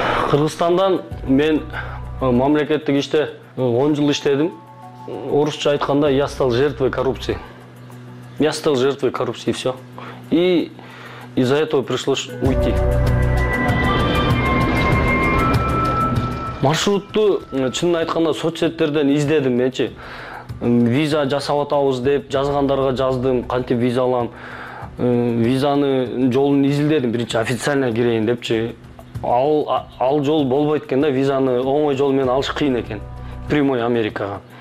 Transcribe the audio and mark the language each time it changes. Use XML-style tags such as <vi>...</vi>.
<ky>Кыргызстандан мен мамлекеттик иште 10 жыл иштедим. Орусча айтканда</ky> <ru>я стал жертвой коррупции. Я стал жертвой коррупции и все. И из-за этого пришлось уйти.</ru> <ky>Маршрутту чынын айтканда соцсеттерден издедим менчи. Виза жасап атабыз деп жазгандарга жаздым, кантип виза алам. Визаны жолун изилдедим биринчи официально кирейин депчи. Ал жол болбойт экен да, визаны оңой жол менен алыш кыйын экен. Прямой Америкага.</ky>